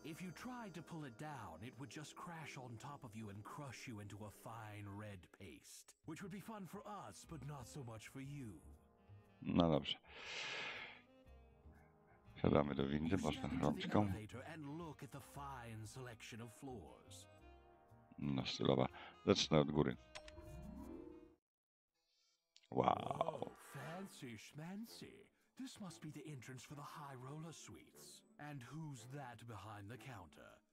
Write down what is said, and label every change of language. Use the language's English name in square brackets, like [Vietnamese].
[English] If you tried to pull it down, it would just crash on top of you and crush you into a fine red paste. Which would be fun for us, but not so much for you. [Polish] No dobrze. Siadamy do windy, można rączką. [English] And look at the fine selection of floors. [Polish] No stylowa. Zacznę od góry. Wow. [English] Fancy schmancy. This must be the entrance for the high roller suites. And who's that behind the counter?